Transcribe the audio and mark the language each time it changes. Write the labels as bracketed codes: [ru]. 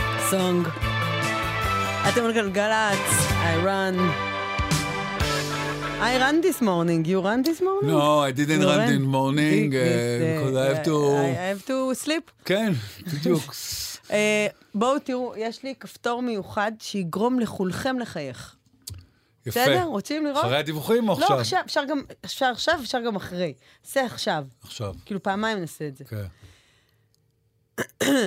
[he] סונג. אתם על גלגלץ, [en] I run. I run this morning. You run this morning? No, I didn't run this morning because I have to... I have to sleep. [he] כן, בדיוק. בואו תראו, יש לי כפתור מיוחד שיגרום לכולכם לחייך. יפה. בסדר? רוצים לראות? אחרי הדיווחים או עכשיו? לא, עכשיו, אפשר גם, אפשר עכשיו, אפשר גם אחרי. עשה עכשיו. עכשיו. כאילו פעמיים נעשה את זה. כן.